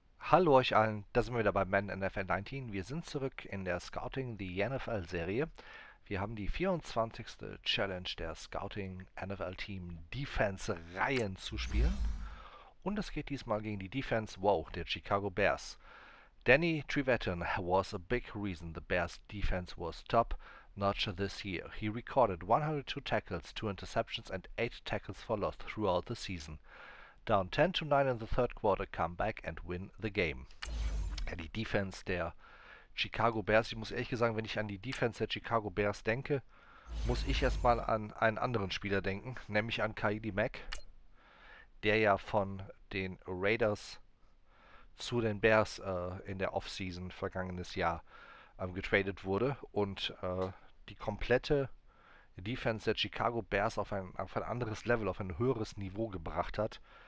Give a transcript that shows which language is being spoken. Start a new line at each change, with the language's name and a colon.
German: Hallo euch allen, da sind wir wieder bei Madden NFL 19. Wir sind zurück in der Scouting the NFL Serie. Wir haben die 24. Challenge der Scouting NFL Team Defense Reihen zu spielen. Und es geht diesmal gegen die Defense, wow, der Chicago Bears.
English: Danny Trevathan was a big reason the Bears defense was top notch this year. He recorded 102 tackles, 2 interceptions and 8 tackles for loss throughout the season. Down 10-9 in the third quarter, come back and win the game.
German: Ja, die Defense der Chicago Bears. Ich muss ehrlich sagen, wenn ich an die Defense der Chicago Bears denke, muss ich erstmal an einen anderen Spieler denken, nämlich an Khalil Mack, der ja von den Raiders zu den Bears in der Offseason vergangenes Jahr getradet wurde und die komplette Defense der Chicago Bears auf ein anderes Level, auf ein höheres Niveau gebracht hat.